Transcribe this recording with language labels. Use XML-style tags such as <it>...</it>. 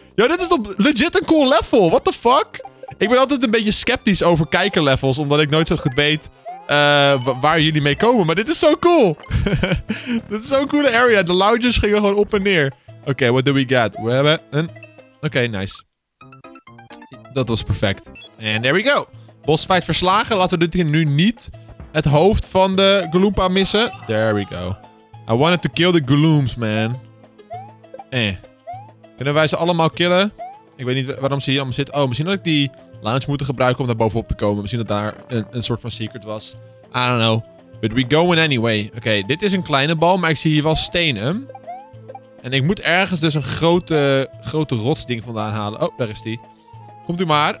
<nl>Yo, dit is toch legit een cool level.</nl> <en>What the fuck?</en> <nl>Ik ben altijd een beetje sceptisch over kijkerlevels, omdat ik nooit zo goed weet waar jullie mee komen. Maar dit is zo cool. Dit is zo'n coole area. De loungers gingen gewoon op en neer. Oké,</nl> <en>what do we got?</en> <nl>We hebben een... Oké, nice. Dat was perfect.</nl> <en>And there we go.</en> <nl>Boss fight verslagen. Laten we dit hier nu niet het hoofd van de Galoompa missen.</nl> <en>There we go. I wanted to kill the Galooms, man.</en> <nl>Kunnen wij ze allemaal killen? Ik weet niet waarom ze hier allemaal zitten. Oh, misschien had ik die lounge moeten gebruiken om daar bovenop te komen. Misschien dat daar een soort van secret was.</nl> <en>I don't know. But we going anyway.</en> <nl>Oké, dit is een kleine bal, maar ik zie hier wel stenen. En ik moet ergens dus een grote rotsding vandaan halen. Oh, daar is die. Komt u maar.</nl>